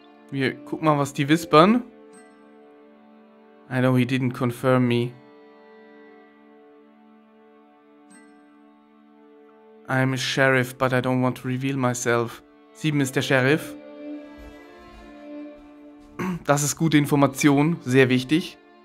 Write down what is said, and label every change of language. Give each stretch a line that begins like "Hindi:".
German: Wir gucken mal, was die wispern.
English: I know he didn't confirm me. I'm a sheriff, but I don't want to reveal myself.
German: 7 ist der Sheriff. Das ist gute Information, sehr wichtig.